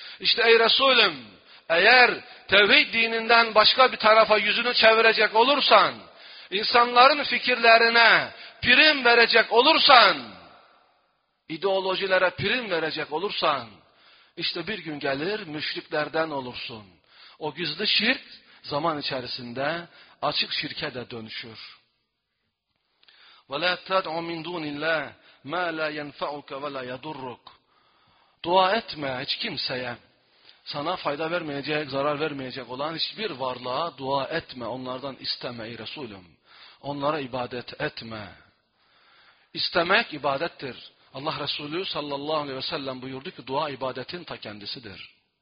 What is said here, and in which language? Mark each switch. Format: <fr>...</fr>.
<tr>İşte ey Resulüm, eğer tevhid dininden başka bir tarafa yüzünü çevirecek olursan, insanların fikirlerine prim verecek olursan, ideolojilere prim verecek olursan, İşte bir gün gelir müşriklerden olursun. O gizli şirk zaman içerisinde açık şirke de dönüşür.</tr> <ar>وَلَا تَدْعُ مِنْ دُونِ اللّٰهِ مَا لَا يَنْفَعُكَ وَلَا يَدُرُّكَ</ar> <tr>Dua etme hiç kimseye. Sana fayda vermeyecek, zarar vermeyecek olan hiçbir varlığa dua etme. Onlardan isteme ey Resulüm. Onlara ibadet etme. İstemek ibadettir. Allah Resulü sallallahu aleyhi ve sellem buyurdu ki dua ibadetin ta kendisidir.</tr>